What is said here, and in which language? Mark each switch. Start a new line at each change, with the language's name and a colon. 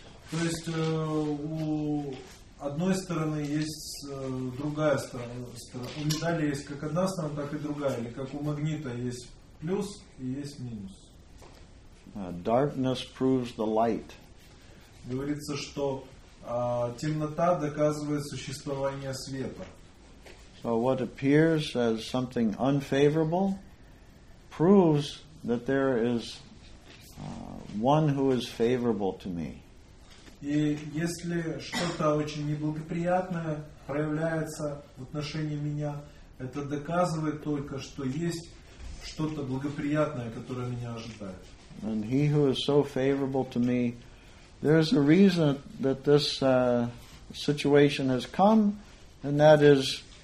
Russian: То есть у одной стороны есть другая сторона. У медали есть как одна сторона, так и другая. Или как у магнита есть плюс и есть минус.
English: Darkness proves the light.
Russian: Говорится, что темнота доказывает существование света.
English: So what appears as something unfavorable proves that there is one who is favorable to me.
Russian: И если что-то очень неблагоприятное проявляется в отношении меня, это доказывает только, что есть что-то благоприятное, которое меня ожидает.
English: And he who is so favorable to me, there is a reason that this situation has come, and that is